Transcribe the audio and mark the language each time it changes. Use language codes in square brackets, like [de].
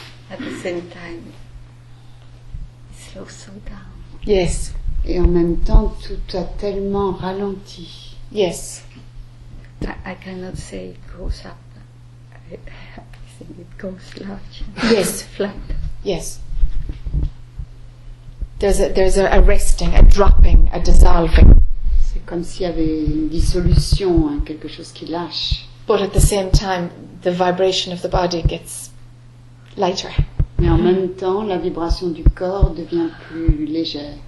[en] At the same time, it slows so down. Yes. [fr] Et en même temps, tout a tellement ralenti. [en] Yes. I cannot say it goes up. it goes large. Yes. Flat. Yes. There's a resting, a dropping, a dissolving. [fr] C'est comme s'il y avait une dissolution, hein, quelque chose qui lâche. [en] But at the same time, the vibration of the body gets lighter. [fr] Mais en même temps, la vibration du corps devient plus légère.